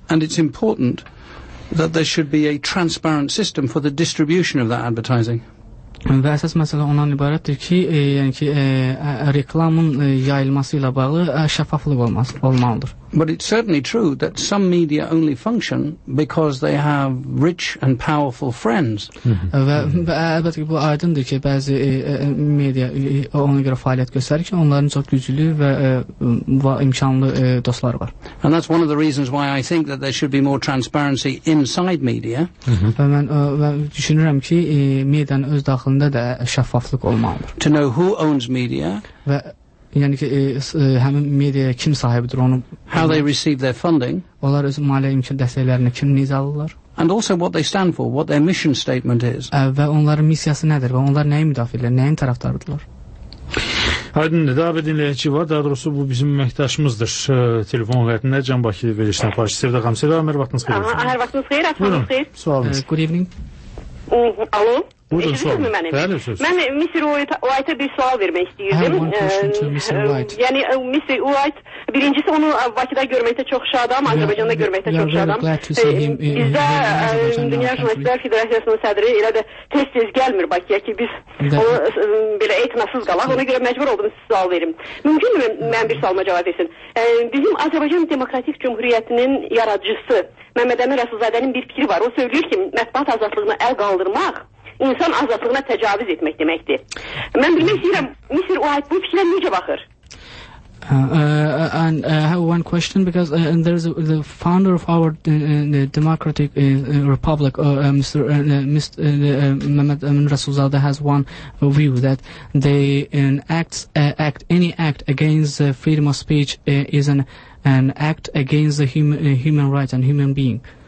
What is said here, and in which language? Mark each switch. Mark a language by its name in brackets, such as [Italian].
[English] And it's important that there should be a transparent system for the distribution of that advertising. [Azerbaijani] Və əsas məsələ ondan ibarətdir ki, yəni ki, reklamın yayılması ilə bağlı şəffaflıq olmalıdır. [English] But it's certainly true that some media only function because they have rich and powerful friends. [Azerbaijani] Və əlbəttə ki, bu aydındır ki, bəzi media ona görə fəaliyyət göstərir ki, onların çox güclü və imkanlı dostları var. [English] And that's one of the reasons why I think that there should be more transparency inside media. [Azerbaijani] Və düşünürəm ki, medianın öz daxilində də şəffaflıq olmalıdır. [English] To know who owns media. [Azerbaijani] Və yəni ki, həmin media kim sahibidir onu? [English] How they receive their funding? [Azerbaijani] Onlar öz maliyyə imkan dəstəklərini kim necə alırlar? [English] And also what they stand for, what their mission statement is. [Azerbaijani] Və onların missiyası nədir? Və onlar nəyi müdafiə edirlər? Nəyin tərəfdarıdırlar? Aydındır, daha bir dinləyici var. Daha doğrusu bu bizim məkdaşımızdır. Telefon qəyətində Can Bakı verilişinə parçası. Sevda xanım, Sevda xanım, hər vaxtınız xeyir. Hər vaxtınız xeyir, hər vaxtınız xeyir. Sualınız. [English] Good evening. [Azerbaijani] Alo? Buyurun, mənim? Mən Mr. White'a bir sual vermək istəyirdim. Yəni, Mr. White, birincisi onu Bakıda görməkdə çox şadam, Azərbaycanda görməkdə çox şadam. Bizdə Dünya Jurnalistlər Federasiyasının sədri elə də tez-tez gəlmir Bakıya ki, biz onu belə etinasız qalaq. Ona görə məcbur oldum, siz sual verim. Mümkün mü mən bir sualıma cavab versin? Bizim Azərbaycan Demokratik Cumhuriyyətinin yaradıcısı Məhməd Əmir Rəsulzadənin bir fikri var. O söylüyor ki, mətbuat azadlığını əl qaldırmaq insan azadlığına təcavüz etmək deməkdir. Mən bilmək istəyirəm, Mr. White bu fikirə necə baxır? [English] And I have one question because there is the founder of our the Democratic Republic, Mehmet Emin Resulzade has one view that they any act against the freedom of speech is an act against the human rights and human being.